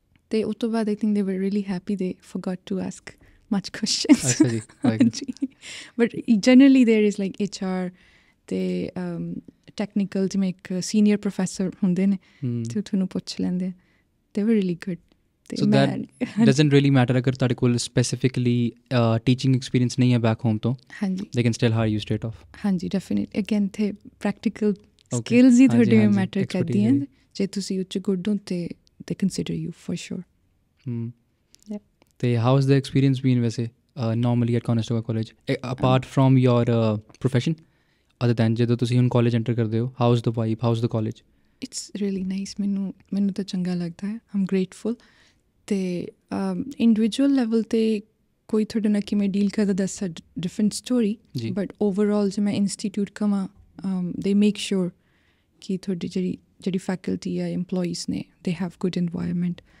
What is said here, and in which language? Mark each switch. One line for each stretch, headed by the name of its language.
Punjabi: ਅਤੇ ਉਸ ਤੋਂ ਬਾਅਦ
English: I think they were really happy, they forgot to ask much questions.
Punjabi: ਹਾਂਜੀ,
English: but generally there is like H R
Punjabi: ਅਤੇ ਟੈਕਨੀਕਲ, ਜਿਵੇਂ ਇੱਕ ਸੀਨੀਅਰ ਪ੍ਰੋਫੈਸਰ ਹੁੰਦੇ ਨੇ ਅਤੇ ਉਹ ਤੁਹਾਨੂੰ ਪੁੱਛ ਲੈਂਦੇ ਆ,
English: They were really good. So that doesn't really matter
Punjabi: agar tade kol
English: specifically teaching experience
Punjabi: nahi hai
English: back home to,
Punjabi: haan
English: ji, they can still hire you straight off.
Punjabi: Haan ji,
English: definitely. Again, the practical skills
Punjabi: hi thode matter karde hain, je tusi uch good ho te
English: they consider you for sure.
Punjabi: Te
English: how is the experience been
Punjabi: vaise
English: normally at Conestoga College, apart from your profession, other than
Punjabi: jadon tusi hun
English: college enter
Punjabi: karde ho,
English: how is the vibe, how is the college? It's really nice.
Punjabi: Mainu ta changa lagda hai,
English: I'm grateful.
Punjabi: ਅਤੇ individual level 'ਤੇ ਕੋਈ ਤੁਹਾਡੇ ਨਾਲ ਕਿਵੇਂ deal ਕਰਦਾ,
English: That's a different story. But overall
Punjabi: ਜੇ ਮੈਂ institute ਕਵਾਂ,
English: they make sure
Punjabi: ਕਿ ਤੁਹਾਡੀ ਜਿਹੜੀ ਫੈਕਲਟੀ ਆ, ਇੰਪਲੋਈਸ ਨੇ,
English: They have good environment.